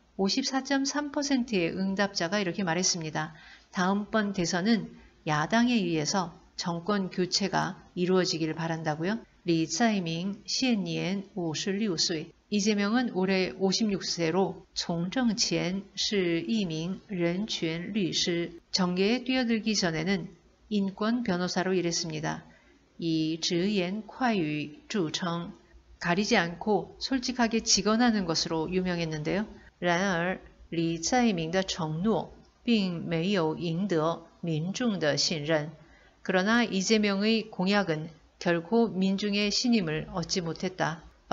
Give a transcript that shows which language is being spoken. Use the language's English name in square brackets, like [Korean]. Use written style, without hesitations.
[Korean] 54.3%의 응답자가 이렇게 말했습니다. 다음번 대선은 야당에 의해서 정권 교체가 이루어지길 바란다고요? [Chinese] 리차이밍 시엔 56세. [Korean] 이재명은 올해 56세로 [Chinese] 从政前是一名人权律师. [Korean] 정계에 뛰어들기 전에는 인권 변호사로 일했습니다. [Chinese] 以直言快语著称, [Korean] 가리지 않고 솔직하게 직언하는 것으로 유명했는데요. [Chinese] 然而, 李在明的承诺并没有赢得民众的信任. [Korean] 그러나 이재명의 공약은 결코 민중의 신임을 얻지 못했다.